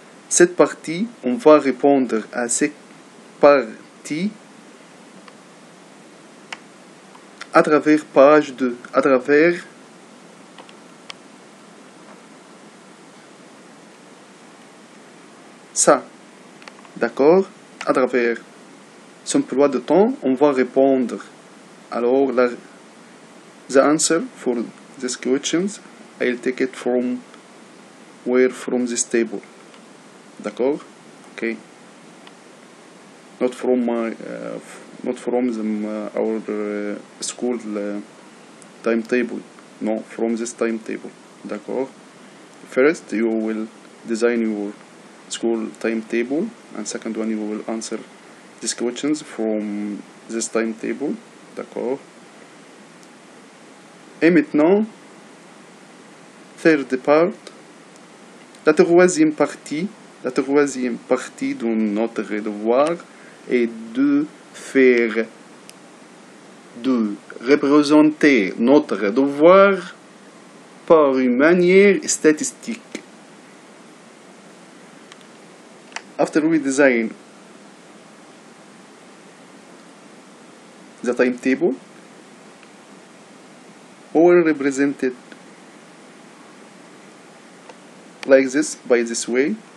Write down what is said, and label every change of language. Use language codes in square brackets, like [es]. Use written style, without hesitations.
[fr] Cette partie, on va répondre à cette partie à travers page 2, à travers. Ça, d'accord, à travers son emploi de temps, on va répondre. Alors, [en] the answer for these questions, I'll take it from where from this table. [fr] D'accord, [en] ok. Not from my, not from the, our school timetable. No, from this timetable. [fr] D'accord. [en] First, you will design your school timetable, and second one, you will answer these questions from this timetable. D'accord. [fr] Et maintenant, [en] third part, [fr] la troisième partie de notre devoir est de faire, de représenter notre devoir par une manière statistique. [en] After we design the timetable, we will represent it like this, by this way.